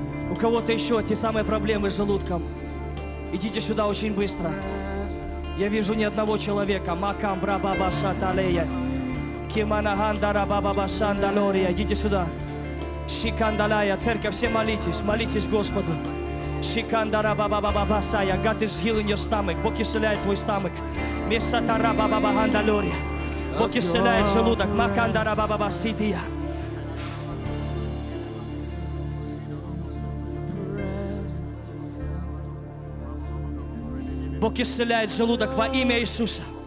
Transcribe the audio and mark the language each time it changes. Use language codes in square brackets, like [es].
[ru] У кого-то еще те самые проблемы с желудком. Идите сюда очень быстро. Я вижу ни одного человека. Макам брабаба саталея. Кимананда рабаба сандалория. Идите сюда. Шикандалая. Церковь, все молитесь. Молитесь Господу. Шикандара баба баба басая, [en] God is healing your stomach. [ru] Бог исцеляет твой стамак. Месатара баба баба андалори, Бог исцеляет желудок. Макандара баба басидия. Бог исцеляет желудок во имя Иисуса.